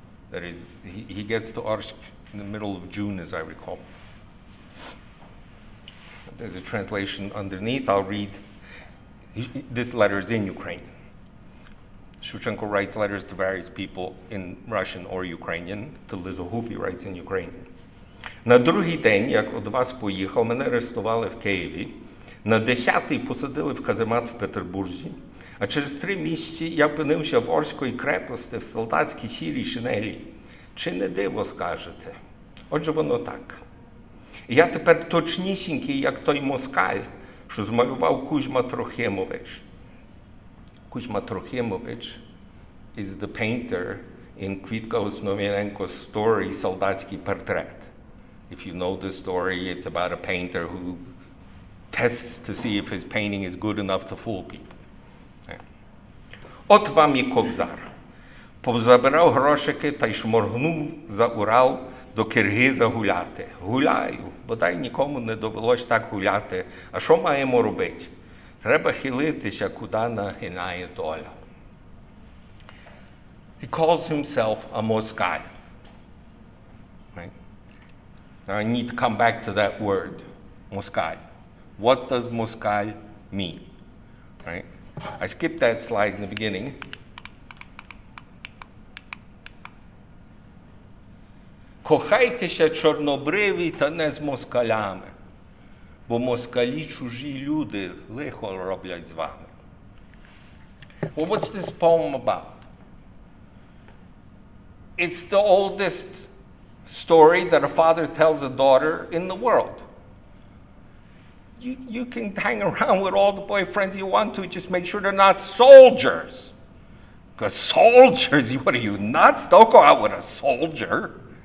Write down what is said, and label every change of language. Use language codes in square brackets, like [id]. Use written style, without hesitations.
[en] That is, he gets to Orsk in the middle of June, as I recall. There's a translation underneath. I'll read. This letter is in Ukrainian. Shevchenko writes letters to various people in Russian or Ukrainian. To Lizahoop, he writes in Ukrainian. [uk] На другий день, як од вас поїхав, мене арестували в Києві. На десятий посадили в каземат в Петербурзі. А через 3 місяці я опинився в Орської крепости в солдатській сірій шинелі. Чи не диво, скажете? Отже, воно так. Я тепер точнісінький, як той москаль, що змалював Кузьма Трохимович. [en] Кузьма Трохимович is the painter in Квітка Основіненко's story «Солдатський портрет». If you know the story, it's about a painter who tests to see if his painting is good enough to fool people. [uk] Yeah. От вам і Кобзар. Позабирав грошики та й шморгнув за Урал до Киргиза гуляти. Гуляю, бодай нікому не довелось так гуляти. А що маємо робити? Треба хилитися, куди нагинає доля. [en] He calls himself a Moskal. Now I need to come back to that word, Moskal. What does Moskal mean? Right? I skipped that slide in the beginning. [uk] Кохайтеся, чорнобриві, та не з москалями, бо москалі чужі люди лихо роблять з вами. [en] Well, what's this poem about? It's the oldest story that a father tells a daughter in the world. You can hang around with all the boyfriends you want to, just make sure they're not soldiers. Because soldiers, what are you nuts? Don't go out with a soldier.